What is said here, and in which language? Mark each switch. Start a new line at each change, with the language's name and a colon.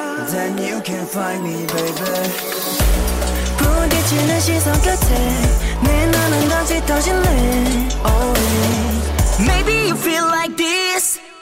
English: Then you can find me, baby.
Korean: 부디 지는 시선 끝에 내 눈은 다시 떠질래.
English: Oh, maybe you feel like this.